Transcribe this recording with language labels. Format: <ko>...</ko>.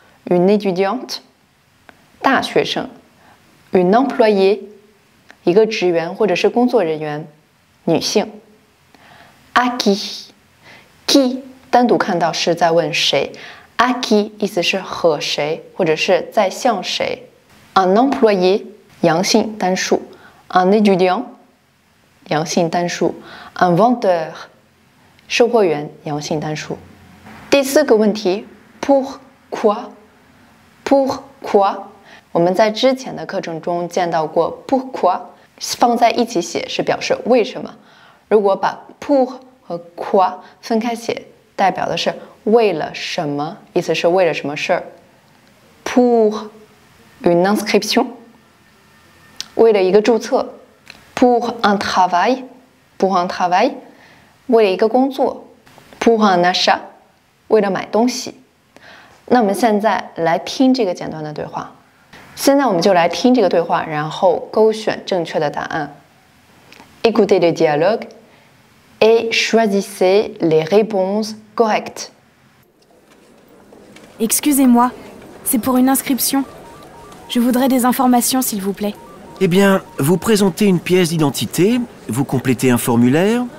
<fr>Une étudiante,</fr> <zh>大学生。</zh> <fr>Une employée,</fr> <zh>一个职员或者是工作人员，女性。</zh> <fr>À qui, qui</fr> <zh>单独看到是在问谁。 À qui 意思是和谁或者是在向谁。</zh> <fr>Un employé,</fr> <zh>阳性单数。</zh> <fr>Un étudiant, 阳性单数。 Un vendeur,</fr> <zh>售货员阳性单数。第四个问题 ,Pourquoi?</zh> <fr>Pourquoi?</fr> <zh>我们在之前的课程中见到过 Pourquoi? 放在一起写是表示为什么。如果把 Pour 和 Quoi 分开写，代表的是为了什么，意思是为了什么事。</zh> <fr>Pour une inscription,</fr> <zh>为了一个注册。</zh> <fr>Pour un travail, pour un travail,</fr> <zh>为了一个工作。</zh> <fr>Pour un achat,</fr> <zh>为了买东西。那我们现在来听这个简短的对话。现在我们就来听这个对话，然后勾选正确的答案。</zh> <fr>Écoutez le dialogue et choisissez les réponses correctes. Excusez-moi, c'est pour une inscription. Je voudrais des informations, s'il vous plaît. Eh bien, vous présentez une pièce d'identité, vous complétez un formulaire.</fr>